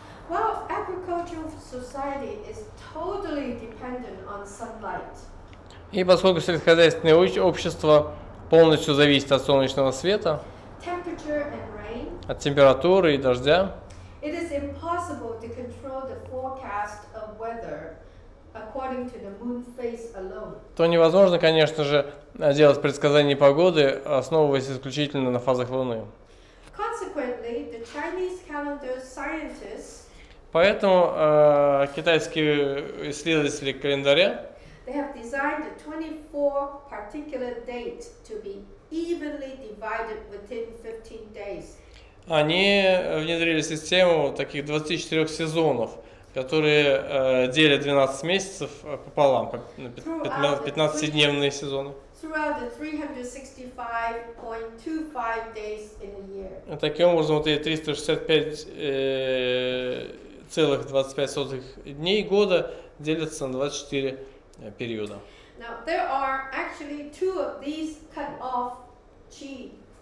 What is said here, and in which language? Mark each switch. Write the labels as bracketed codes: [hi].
[en] Well, agricultural society is totally dependent on sunlight. [ru] И поскольку сельскохозяйственное общество полностью зависит от солнечного света, [en] temperature and rain, [ru] от температуры и дождя, [en] it is impossible to control the forecast of weather according to the moon phase alone. [ru] То невозможно, конечно же, делать предсказания погоды, основываясь исключительно на фазах Луны. [en] Consequently, the Chinese calendar scientists, [ru] поэтому китайские исследователи календаря, [en] they have designed a 24 particular date to be evenly divided within 15 days. [ru] Они внедрили систему таких 24 сезонов, которые делят 12 месяцев пополам, 15-дневные сезоны. [en] Throughout the 365.25 days in a year. [ru] Таким образом, вот эти 365,25 дней года делятся на 24 периода. [en] Now, there are actually two of these cut off chi.